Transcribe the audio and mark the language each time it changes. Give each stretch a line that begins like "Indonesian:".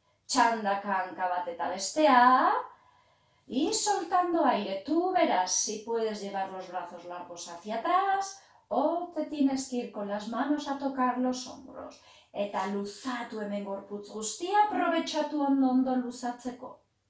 Basque: Txandaka hanka bat eta bestea.
Spanish: Y soltando aire, tú verás si puedes llevar los brazos largos hacia atrás o te tienes que ir con las manos a tocar los hombros.
Basque: Eta luzatu hemen gorputz guztia, aprobetxatu ondo luzatzeko.